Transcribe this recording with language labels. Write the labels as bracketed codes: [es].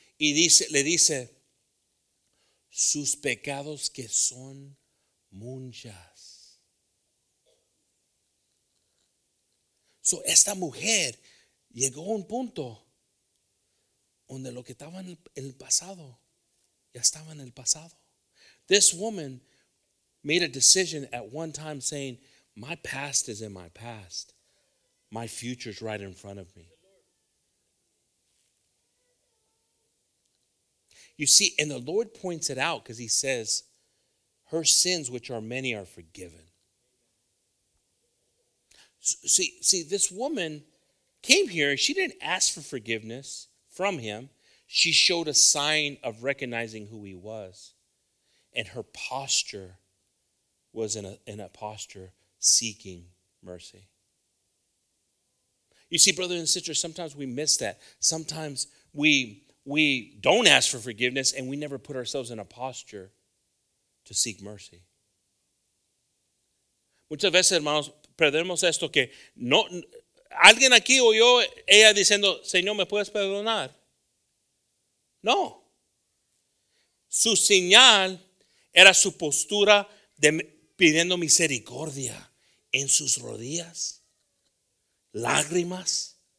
[es] Y dice, le dice, sus pecados que son muchas. So, esta mujer llegó a un punto donde lo que estaba en el pasado, ya estaba en el pasado. [en] This woman made a decision at one time saying, my past is in my past. My future is right in front of me. You see, and the Lord points it out because he says, her sins, which are many, are forgiven. See, this woman came here. She didn't ask for forgiveness from him. She showed a sign of recognizing who he was. And her posture was in a posture seeking mercy. You see, brothers and sisters, sometimes we miss that. Sometimes we don't ask for forgiveness and we never put ourselves in a posture to seek mercy. [es] Muchas veces, hermanos, perdemos esto que no, alguien aquí oyó ella diciendo, Señor, ¿me puedes perdonar? No. Su señal era su postura de pidiendo misericordia en sus rodillas, lágrimas.